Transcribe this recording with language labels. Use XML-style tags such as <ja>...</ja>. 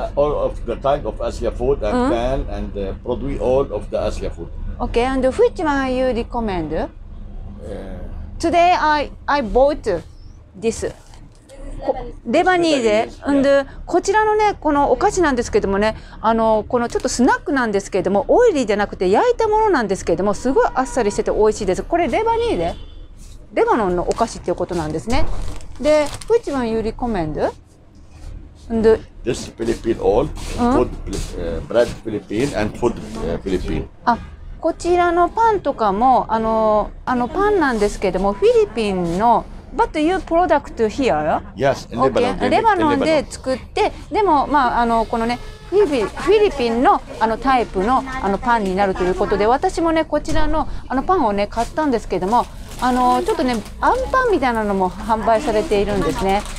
<en>All of the type of Asian food and mm-hmm. can and produce all of the Asian food. Okay, and which one you recommend? Today I bought this.</en> <ja>レバニーで、んで、こちらのね、このお菓子なんですけどもね、あの、このちょっとスナックなんですけども、オイリーじゃなくて焼いたものなんですけども、すごいあっさりしてて美味しいです。これレバニーで、レバノンのお菓子っていうことなんですね。</ja> <en>で、which one you recommend? This Philippine all, food, bread Philippine and food Philippine.</en> <ja>あ、こちらのパンとかも、あのパンなんですけども、フィリピンの、</ja> <en>But you product here? Yes, okay. Lebanon.</en> <ja>レバノンで作って、でも、まあ、あの、このね、フィリピンの、あの、タイプの、あの、パンになるということで、私もね、こちらの、あの、パンをね、買ったんですけども、あの、ちょっとね、アンパンみたいなのも販売されているんですね。</ja>